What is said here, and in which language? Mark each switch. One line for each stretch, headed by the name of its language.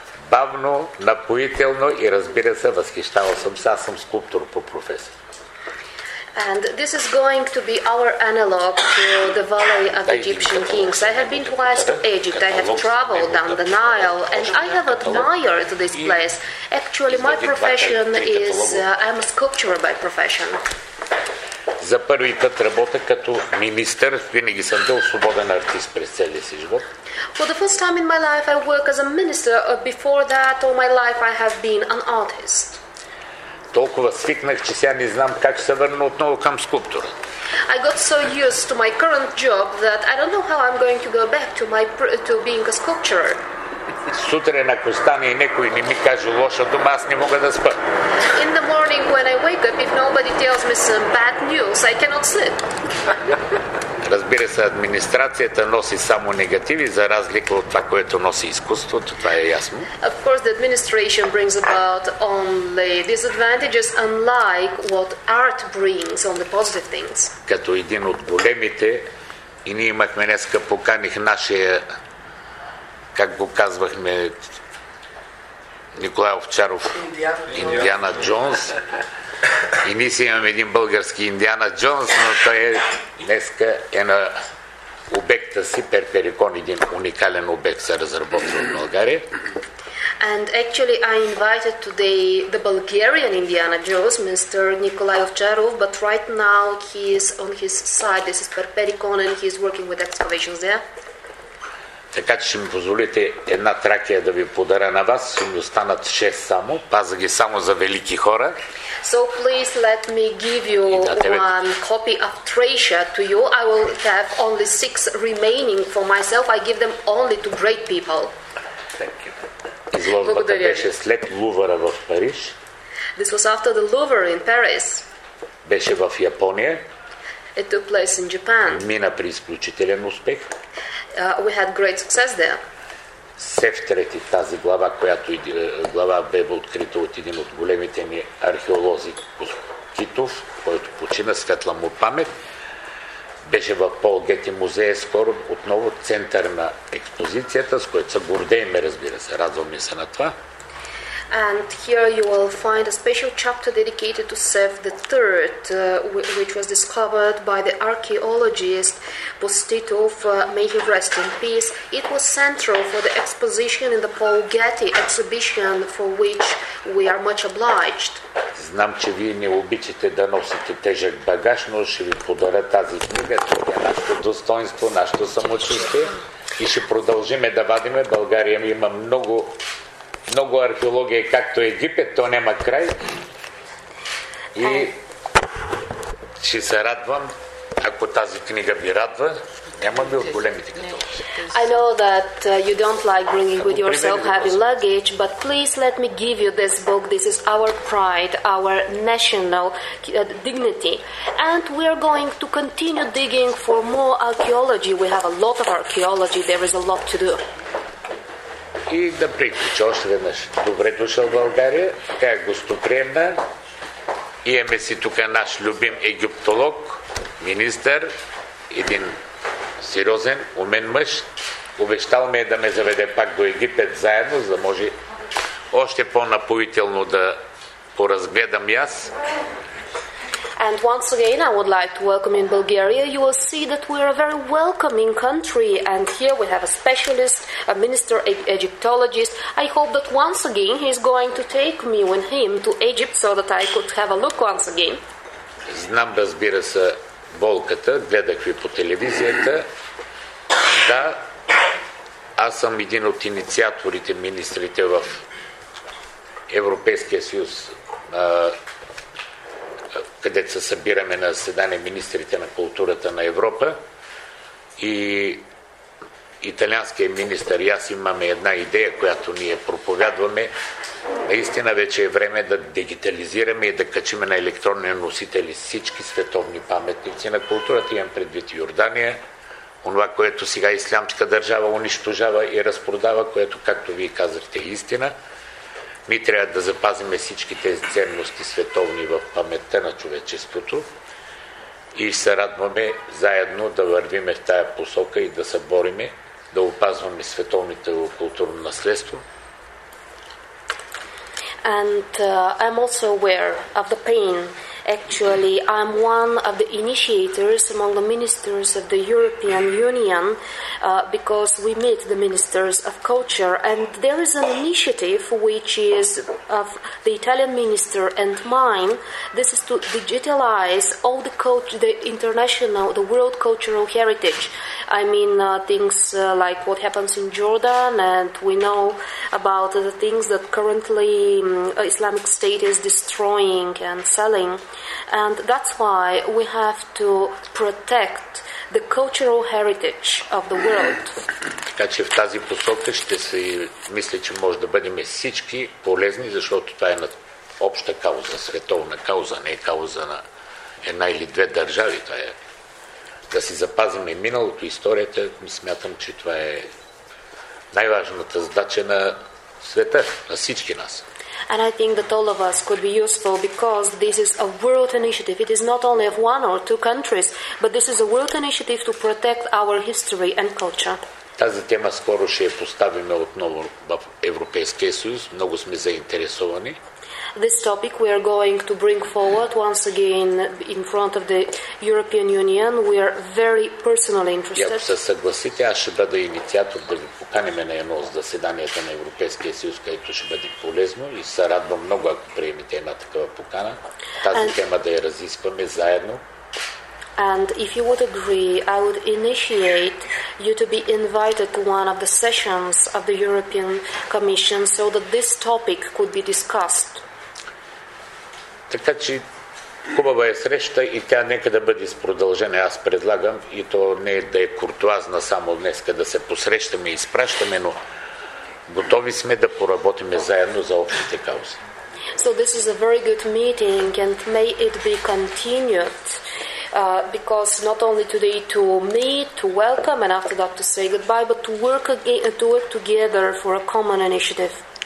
Bulgarian: Бавно, напоително и разбира се, възхищавал съм се. Аз съм скулптор по професия.
English: And this is going to be our analog to the Valley of Egyptian Kings. I have been twice to Egypt. I have traveled down the Nile and I have admired this place. Actually, my profession is I'm a sculptor by profession.
Bulgarian: За първи път работя като министър. Винаги съм бил свободен артист през целия си живот.
English: For the first time in my life I work as a minister. Before that all my life I have been an artist.
Bulgarian: Толкова свикнах, че сега не знам как ще се върна отново към скулптура.
English: I got so used to my current job that I don't know how I'm going to go back to my to being a sculptor.
Bulgarian: Сутрин, ако стане и някой не ми каже лоша дума, аз не мога да спа.
English: In the morning when I wake up, if nobody tells me some bad news, I cannot sleep.
Bulgarian: Разбира се, администрацията носи само негативи, за разлика от това, което носи изкуството, това е ясно.
English: Of course, the administration brings about only disadvantages, unlike what art brings on the positive things.
Bulgarian: Като един от големите, и ние имахме днеска, поканих нашия, как го казвахме, Николай Овчаров, Индиана Джонс. И ние си имаме един български Индиана Джонс, но той е днеска е на обекта си Перперикон, един уникален обект се разработва в България.
English: And actually I invited today the Bulgarian Indiana Jones, Mr. Nikolai Ovcharov, but right now he is on his side. This is Perperikon and he is working with excavations there.
Bulgarian: Така че ще ми позволите една тракия да ви подаря на вас, ще ми останат 6 само, паза ги само за велики хора.
English: So please let me give you one copy of Thracia to you. I will have only 6 remaining for myself. I give them only to great people. Thank you.
Bulgarian: Изложбата беше след Лувъра в Париж.
English: This was after the Louvre in Paris.
Bulgarian: Беше в Япония.
English: It took place in Japan.
Bulgarian: Мина при изключителен успех.
English: We had great success there.
Bulgarian: Сефтрети, тази глава, която глава бе открита от един от големите ни археолози Китов, който почина, светла му памет, беше в Пол Гети музея скоро отново център на експозицията, с който се гордеем, разбира се, радваме се на това.
English: And here you will find a special chapter dedicated to Sef III, which was discovered by the archaeologist Pustitov. May he rest in peace. It was central for the exposition in the Paul Getty exhibition, for which we are much obliged.
Bulgarian: Знам, че вие не обичате да носите тежък багаж, но ще ви подаря тази книга. Това е нашето достоинство, нашето самочувствие. И ще продължиме да вадиме. България има много, много археология, както Египет, то няма край. И ще се радвам, ако тази книга ви радва.
English: I know that you don't like bringing with yourself heavy luggage, but please let me give you this book. This is our pride, our national dignity. And we are going to continue digging for more archaeology. We have a lot of archaeology. There is a lot to do.
Bulgarian: И да приключа още веднъж. Добре дошъл в България. Тя е гостоприемна. Имаме си тук наш любим египтолог, министър, един сериозен, умен мъж. Обещал ми е да ме заведе пак до Египет заедно, за да може още по-напоително да поразгледам и аз.
English: And once again, I would like to welcome in Bulgaria. You will see that we are a very welcoming country. And here we have a specialist, a minister, an Egyptologist. I hope that once again he is going to take me with him to Egypt so that I could have a look once again.
Bulgarian: Знам, разбира се, болката, гледах ви по телевизията. Да, аз съм един от инициаторите, министрите в Европейския съюз, където се събираме на заседание министрите на културата на Европа. И италианският министър и аз имаме една идея, която ние проповядваме. Наистина вече е време да дигитализираме и да качиме на електронни носители всички световни паметници на културата. Имам предвид Йордания, онова, което сега ислямска държава унищожава и разпродава, което, както вие казахте, е истина. Ми трябва да запазиме всички тези ценности световни в паметта на човечеството и се радваме заедно да вървиме в тая посока и да се бориме, да опазваме световните културно наследство.
English: And I'm also aware of the pain. Actually, I'm one of the initiators among the ministers of the European Union because we meet the ministers of culture. And there is an initiative which is of the Italian minister and mine. This is to digitalize all the culture, the international, the world cultural heritage. I mean things like what happens in Jordan, and we know about the things that currently Islamic State is destroying and selling. And that's why we have to protect the cultural heritage of the world.
Bulgarian: Така че в тази посока ще се мисля, че може да бъдем всички полезни, защото това е на обща кауза, световна кауза, не е кауза на една или две държави. Това е да си запазим и миналото, историята. Смятам, че това е най-важната задача на света, на всички нас.
English: And I think that all of us could be useful because this is a world initiative. It is not only of one or two countries, but this is a world initiative to protect our history and culture.
Bulgarian: Тази тема скоро ще я поставим отново в Европейския съюз. Много сме заинтересовани.
English: This topic we are going to bring forward once again in front of the European Union. We are very personally interested.
Bulgarian: Ако се съгласите, аз ще бъда инициатор да ви поканим на едно заседание на Европейския съюз, където ще бъде полезно и се радвам много, ако приемете една такава покана. Тази тема да я разискваме заедно.
English: And if you would agree, I would initiate you to be invited to one of the sessions of the European Commission so that this topic could be discussed.
Bulgarian: Така че хубава е среща и тя нека да бъде с продължение, аз предлагам. И то не е да е куртуазна само днес, да се посрещаме и изпращаме, но готови сме да поработиме заедно за общите каузи.
English: So this is a very good meeting and may it be continued. Because not only today to meet, to welcome and after that to say goodbye, but to work again, to work together for a common initiative.